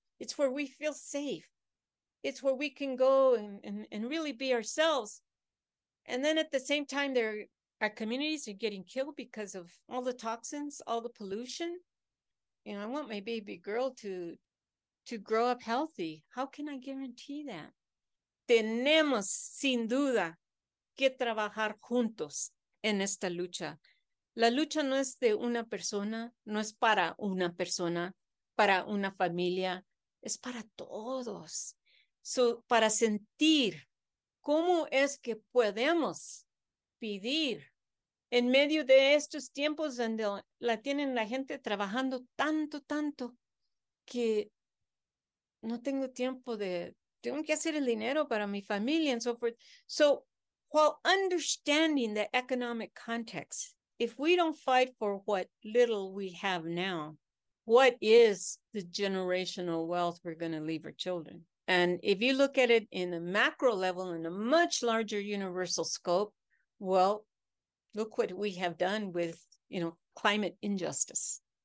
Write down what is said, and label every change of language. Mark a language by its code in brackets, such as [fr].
[en] It's where we feel safe. It's where we can go and really be ourselves. And then at the same time, our communities are getting killed because of all the toxins, all the pollution. You know, I want my baby girl to grow up healthy. How can I guarantee that? [es] Tenemos sin duda que trabajar juntos en esta lucha. La lucha no es de una persona, no es para una persona, para una familia, es para todos. So, para sentir cómo es que podemos pedir en medio de estos tiempos donde la tienen la gente trabajando tanto, tanto, que no tengo tiempo de, tengo que hacer el dinero para mi familia [en] and so forth. So, while understanding the economic context, if we don't fight for what little we have now, what is the generational wealth we're going to leave our children? And if you look at it in a macro level, in a much larger universal scope, well, look what we have done with, you know, climate injustice.